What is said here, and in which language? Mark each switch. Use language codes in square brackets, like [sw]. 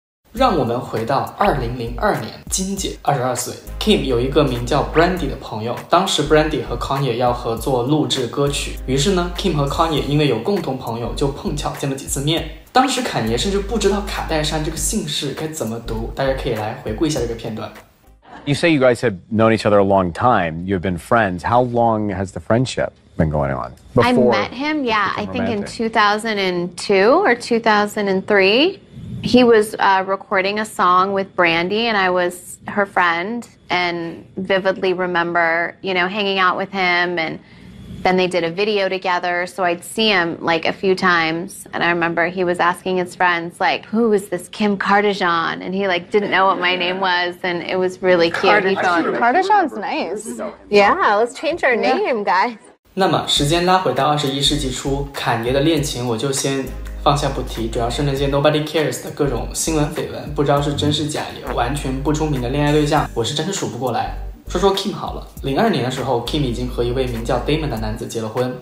[zh] 让我们回到2002年，金姐22岁， Kim 有一个名叫 Brandy 的朋友，当时 Brandy 和 Kanye 要合作录制歌曲，于是呢 Kim 和 Kanye 因为有共同朋友，就碰巧见了几次面。当时侃爷甚至不知道卡戴珊这个姓氏该怎么读，大家可以来回顾一下这个片段。 [en] You say you guys have known each other a long time, you've been friends, how long has the friendship been going on? I met him, yeah, I think in 2002 or 2003. He was recording a song with Brandy, and I was her friend, and vividly remember, you know, hanging out with him, and then they did a video together, so I'd see him, like, a few times, and I remember he was asking his friends, like, who is this Kim Kardashian? And he, like, didn't know what my name was, and it was really cute. Kardashian's nice. Yeah, let's change our name, guys. [zh] 那么时间拉回到21世纪初，侃爷的恋情我就先放下不提，主要是那些 [en] nobody cares [zh] 的各种新闻绯闻，不知道是真是假，也完全不出名的恋爱对象，我是真的数不过来。说说 Kim 好了，02年的时候 ，Kim 已经和一位名叫 Damon 的男子结了婚。